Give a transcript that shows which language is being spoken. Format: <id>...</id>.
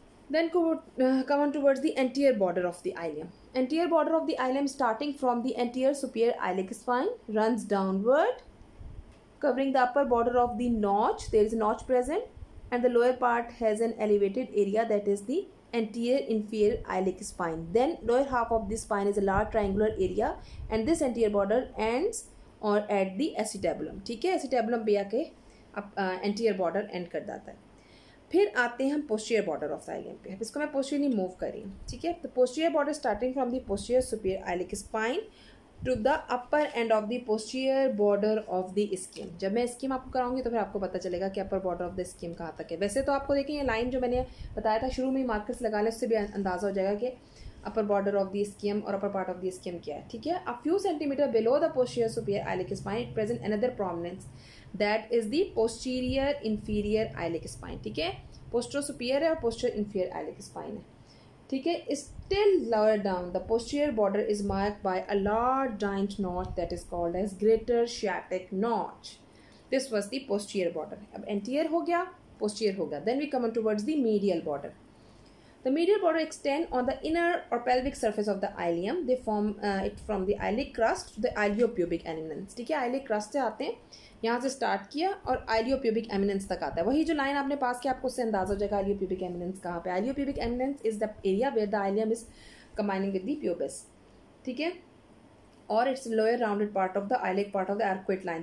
<en>Then come on towards the anterior border of the ilium. Anterior border of the ilium, starting from the anterior superior iliac spine, runs downward, covering the upper border of the notch. There is a notch present, and the lower part has an elevated area, that is the anterior inferior iliac spine. Then lower half of the spine is a large triangular area, and this anterior border ends or at the acetabulum.</en> <hi>ठीक है, acetabulum भी आके anterior border end कर जाता है. फिर आते हैं हम पोस्टीरियर बॉर्डर ऑफ आइलियम पे. अब इसको मैं पोस्टीरियरली मूव कर रही हूँ. ठीक है,</hi> <en>The posterior border starting from the posterior superior iliac spine to the upper end of the posterior border of the scheme.</en> <hi>जब मैं स्कीम आपको कराऊंगी तो फिर आपको पता चलेगा कि upper border of the scheme कहाँ तक है. वैसे तो आपको देखें ये लाइन जो मैंने बताया था शुरू में मार्कर्स लगा लें, उससे भी अंदाजा हो जाएगा कि upper border of the scheme और upper part of the scheme क्या है. ठीक है,</hi> <en>A few centimetre below the posterior superior iliac spine it present another prominence. That is the posterior inferior iliac spine.</en> <hi>ठीक है, posterior superior है और posterior inferior iliac spine है. ठीक है,</hi> <en>still lower down the posterior border is marked by a large giant notch that is called as greater sciatic notch. This was the posterior border.</en> <hi>अब anterior हो गया, posterior हो गया.</hi> <en>Then we come on towards the medial border. The medial border extend on the inner or pelvic surface of the ilium. They form it from the iliac crust to the iliopubic eminence.</en> <hi>ठीक है, iliac crust से आते हैं, यहाँ से start किया और आइलियोप्यूबिक eminence तक आता है. वही जो लाइन आपने पास किया आपको उससे अंदाजा हो जाएगा आइलियोप्यूबिक एमिनेंस कहाँ पे.</hi> <en>Iliopubic eminence is the area where the ilium is combining with the pubis.</en> <hi>ठीक है, और</hi> <en>It's lower rounded part of the iliac part of the arcuate line.</en>